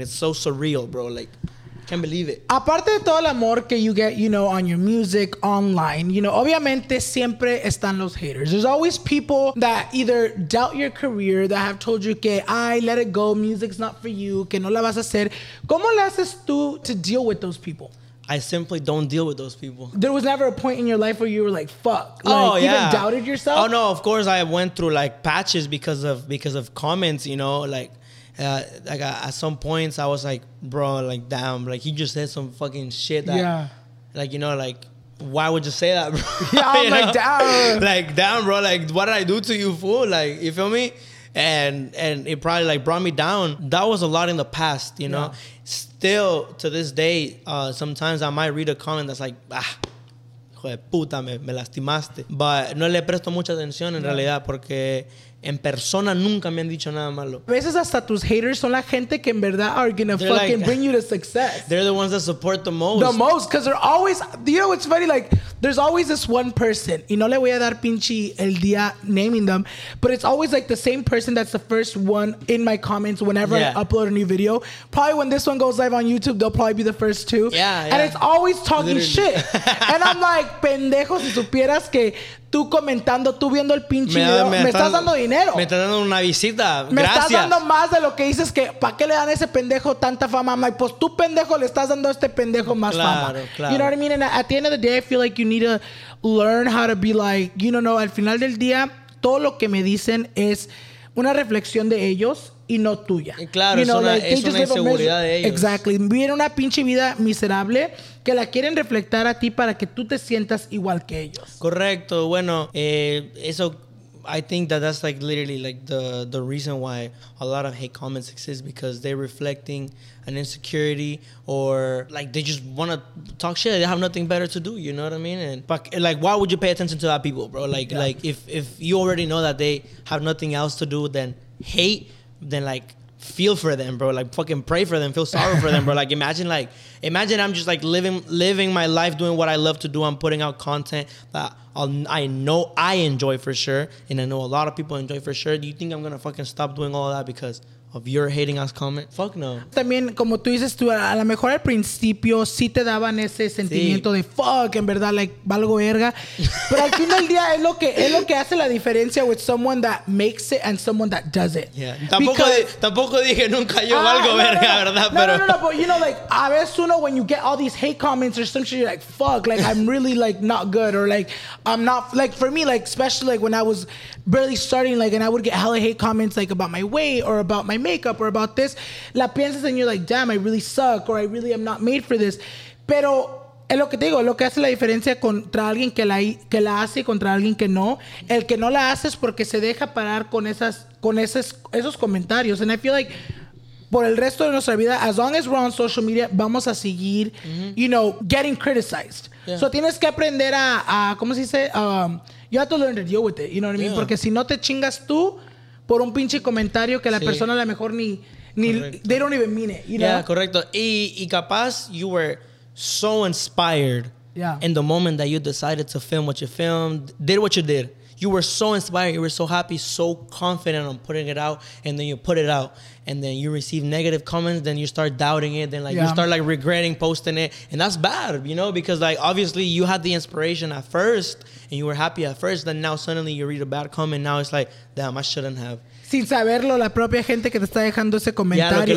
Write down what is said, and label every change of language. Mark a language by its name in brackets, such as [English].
[English] It's so surreal, bro. Like... Can't believe it. [Spanish] Aparte de todo el amor que [English] you get, you know, [Spanish] on your music, online, you know, obviamente siempre están los haters. [English] There's always people that either doubt your career, that have told you [Spanish] que, ay, [English] let it go, music's not for you, [Spanish] que no la vas a hacer. [English] ¿Cómo le haces tú to deal with those people? I simply don't deal with those people. There was never a point in your life where you were like, fuck. Like, even doubted yourself? Oh, no, of course I went through, like, patches because of comments, you know, like, like at some points I was like, bro, like, damn, like, he just said some fucking shit that, like, you know, like, why would you say that, bro? Yeah, I'm like, damn. Like, damn, bro, like, what did I do to you, fool? Like, you feel me? And it probably, like, brought me down. That was a lot in the past, you know? Still, to this day, sometimes I might read a comment that's like, [Spanish] ah, hijo de puta, me lastimaste. But no le presto mucha atención, en realidad, porque... En persona nunca me han dicho nada malo. A veces hasta tus haters son la gente que en verdad [English] are gonna bring you to success. They're the ones that support the most. The most, because they're always, you know, it's funny, like, there's always this one person, [Spanish] y no le voy a dar pinche el día [English] naming them, but it's always like the same person that's the first one in my comments whenever I upload a new video. Probably when this one goes live on YouTube, they'll probably be the first two. Yeah. And it's always talking literally shit. And I'm like, [Spanish] pendejo, si supieras que... Tú comentando, tú viendo el pinche video, me estás dando dinero. Me estás dando una visita, me gracias. Me estás dando más de lo que dices que, ¿para qué le dan a ese pendejo tanta fama? Y pues tú, pendejo, le estás dando a este pendejo más fama. [English] You know what I mean? And at the end of the day, I feel like you need to learn how to be like, you know, [Spanish] al final del día, todo lo que me dicen es una reflexión de ellos y no tuya. Y claro, [English] you [Spanish] know, es una inseguridad de ellos. [English] Exactly. [Spanish] Viven una pinche vida miserable que la quieren reflectar a ti para que tú te sientas igual que ellos. Correcto. Bueno, eso, [English] I think that's like literally like the reason why a lot of hate comments exist, because they're reflecting an insecurity, or like they just want to talk shit. They have nothing better to do. You know what I mean? And but like, why would you pay attention to that people, bro? Like, like if you already know that they have nothing else to do than hate, then like feel for them, bro. Like fucking pray for them, feel sorry for them, bro. Like imagine I'm just like living my life, doing what I love to do. I'm putting out content that I know I enjoy for sure, and I know a lot of people enjoy for sure. Do you think I'm gonna fucking stop doing all of that because of your hating us comment? Fuck no. [Spanish] También, como tú dices tú, a lo mejor al principio sí te daban ese sentimiento de fuck, en verdad, like, valgo verga. Pero al fin del día es lo que hace la diferencia [English] with someone that makes it and someone that doesn't. Yeah. [Spanish] Tampoco dije nunca yo valgo verga, ¿verdad? No, pero... [English] no, but you know, like, [Spanish] a veces uno, [English] when you get all these hate comments or something, you're like, fuck, like, I'm really, like, not good, or, like, I'm not, like, for me, like, especially, like, when I was barely starting, like, and I would get hella hate comments, like, about my weight or about my makeup or about this, [Spanish] la piensas [English] and you're like, damn, I really suck, or I really am not made for this. [Spanish] Pero es lo que te digo, lo que hace la diferencia contra alguien que la hace y contra alguien que no, el que no la hace es porque se deja parar con esos comentarios. [English] And I feel like [Spanish] por el resto de nuestra vida, [English] as long as we're on social media, [Spanish] vamos a seguir, [English] you know, getting criticized. Yeah. So [Spanish] tienes que aprender a ¿cómo se dice? [English] You have to learn to deal with it, you know what I mean? Yeah. [Spanish] Porque si no te chingas tú por un pinche comentario que la persona a lo mejor ni [English] they don't even mean it, you know? [Spanish] Yeah, correcto. Y capaz [English] you were so inspired in the moment that you decided to film what you filmed, did what you did. You were so inspired, you were so happy, so confident on putting it out, and then you put it out, and then you receive negative comments, then you start doubting it, then like you start like regretting posting it, and that's bad, you know, because like obviously you had the inspiration at first, and you were happy at first, then now suddenly you read a bad comment, now it's like, damn, I shouldn't have. [Spanish] Sin saberlo, la propia gente que te está dejando ese comentario